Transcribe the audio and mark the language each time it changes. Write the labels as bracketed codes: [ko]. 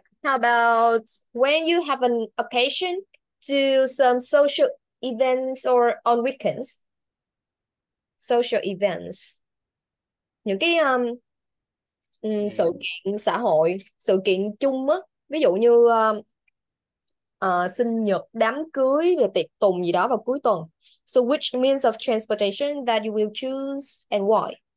[en] How about when you have an occasion to some social events or on weekends? Social events. [vi] Những cái sự kiện xã hội, sự kiện chung á, ví dụ như sinh nhật, đám cưới và tiệc tùng gì đó vào cuối tuần. [en] So which means of transportation that you will choose and why?